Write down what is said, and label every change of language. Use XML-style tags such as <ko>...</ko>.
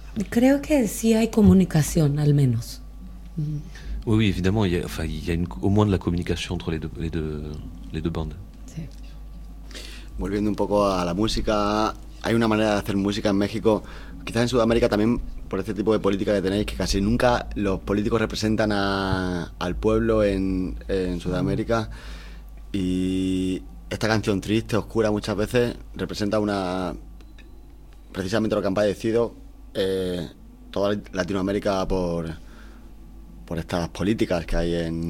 <es>Creo que sí hay comunicación, al menos. Uh-huh.</es> <fr>Oui, évidemment, il y a au moins de la communication entre les deux bandes.</fr> <es>Volviendo un poco a la música, hay una manera de hacer música en México, quizás en Sudamérica también, por este tipo de política que tenéis, que casi nunca los políticos representan al pueblo en Sudamérica, y esta canción triste, oscura, muchas veces representa precisamente lo que han padecido toda Latinoamérica por estas políticas que hay en...</es>